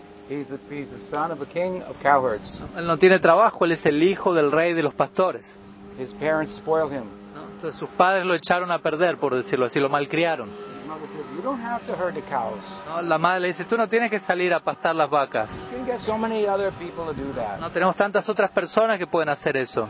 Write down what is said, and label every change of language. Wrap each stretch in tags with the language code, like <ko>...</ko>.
<en>He's the son of a king of cowherds.</en> <es>Él no tiene trabajo, él es el hijo del rey de los pastores.</es> <en>His parents spoiled him.</en> <es>Entonces sus padres lo echaron a perder, por decirlo así, lo malcriaron.</es> <en>You don't have to herd the cows.</en> <es>La madre le dice, tú no tienes que salir a pastar las vacas.</es> <en>You can get so many other people to do that.</en> <es>No tenemos tantas otras personas que pueden hacer eso.</es>